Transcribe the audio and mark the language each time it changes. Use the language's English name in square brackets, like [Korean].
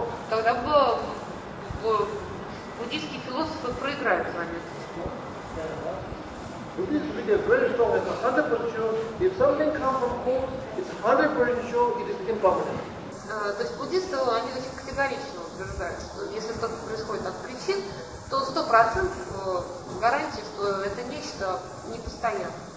[Russian] Тогда бы буддийские философы проиграют с вами. [English] Буддизм with a very strong and 100% sure, if something comes from cause, it's 100% sure it is impermanent. [Russian] То есть буддисты, они очень категорично утверждают, что если что-то происходит от причин, то 100% гарантия, что это нечто непостоянное.